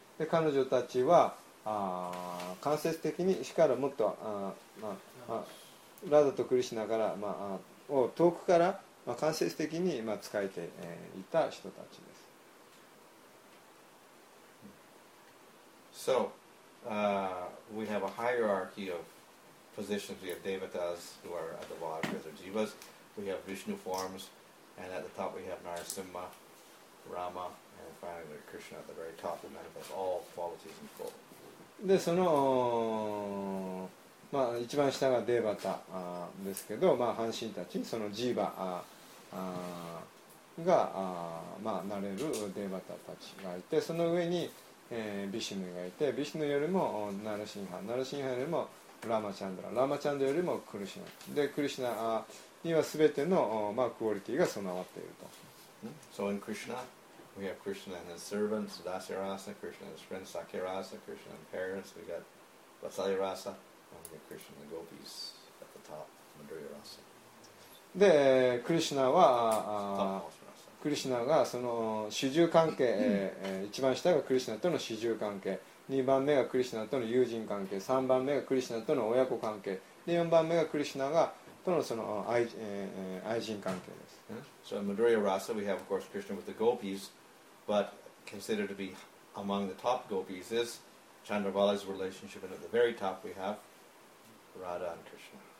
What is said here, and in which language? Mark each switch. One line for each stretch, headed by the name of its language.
Japanese: で、彼女たちは間接的にしからもっと、まあ、ラダとクリシナから、まあ、を遠くから、まあ、間接的に、まあ、使えて、いた人たちです。
English: SoWe have a hierarchy of positions. We have devatas who are at the bottom, because they're jivas. We have Vishnu forms, and at the top we have Narasimha, Rama, and finally Krishna at the very top, who manifests all qualities in full.
Japanese: で、その、まあ、一番下がデーバタですけど、まあ、半身たち、そのジーバが、まあ、なれるデーバタたちがいて、その上に、ビシヌがいて、ビシヌよりもナラシンハ、ナラシンハよりもラマチャンドラ、ラマチャンドラよりもクリシナで、クリシナには全ての、まあ、クオリティが備わっていると。
English: So in Krishna we have Krishna and his servants Dasyarasa, Krishna and his friends Sakyarasa, Krishna and parents, we got Vatsalyarasa, and we have Krishna and gopis at the top, Madhuryarasa。
Japanese: でクリシナはクリシナがその主従関係、一番下がクリシナとの主従関係、二番目がクリシナとの友人関係、三番目がクリシナとの親子関係、で四番目がクリシナがとのその愛人関係です。
English: So in Madhurya Rasa we have of course Krishna with the gopis, but considered to be among the top gopis is Chandravala's relationship, and at the very top we have Radha and Krishna。